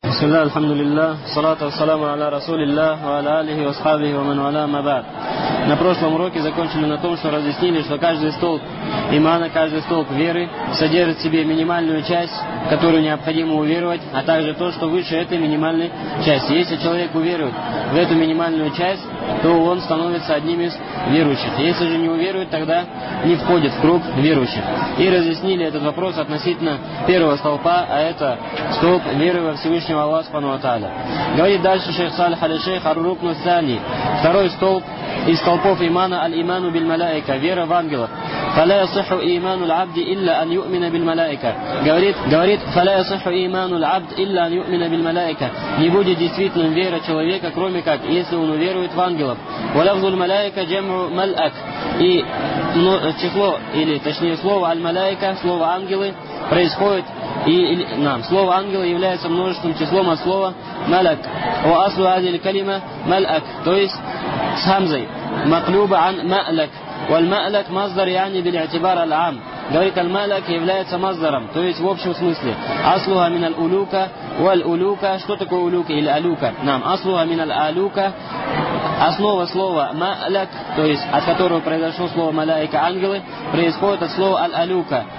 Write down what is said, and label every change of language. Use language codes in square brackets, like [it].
[ar] بسم الله الحمد لله والصلاة والسلام على رسول الله وعلى آله وصحبه ومن والاه ما بعد. [ru] На прошлом уроке закончили на том, что разъяснили, что каждый столб имана, каждый столб веры содержит в себе минимальную часть, которую необходимо уверовать, а также то, что выше этой минимальной части. Если человек уверует в эту минимальную часть, то он становится одним из верующих. Если же не уверует, тогда не входит в круг верующих. И разъяснили этот вопрос относительно первого столпа, а это столб веры во Всевышнего Аллаха Субхану ва Тааля. Говорит дальше шейх Салих аль-Шейх [ar] ар-рукну ас-сани. [ru] Второй столб из столпов имана [ar] аль-иману биль-малаика, [ru] вера в ангелов. [ar] فَلَا يَصِحُ إِيمَانُ الْعَبْدِ إِلَّا أَنْ يُؤْمِنَ بِالْمَلَائِكَةِ. Говорит, فَلَا يَصِحُ إِيمَانُ الْعَبْدِ إِلَّا أَنْ يُؤْمِنَ بِالْمَلَائِكَةِ. [ru] Не будет действительным вера человека, кроме как, если он уверует в ангелов. [ar] وَلَفْظُ الْمَلَائِكَ جَمْعُ مَلْأَكْ. [ru] И число, или точнее слово «аль-малаика», слово «ангелы», происходит, слово «ангелы» является множественным числом от слова «малак». [ar] وَأَصْلُ هَذِهِ الْكَلِمَةِ مَلْأَكْ. [ru] То есть с хамзой. [ar] مَقْلُوبَ عَنْ مَأْلَكْ. والمألك مصدر يعني بالاعتبار العام. [ru] Говорит, аль-малак является маздаром, то есть в общем смысле. [ar] Аслуха мин аль-улука, валь-улука. [ru] Что такое улука или алука? [ar] Нам аслуха мин аль-алука. [ru] Основа слова малак, то есть от которого произошло слово малайка, ангелы, происходит от слова аль-алука.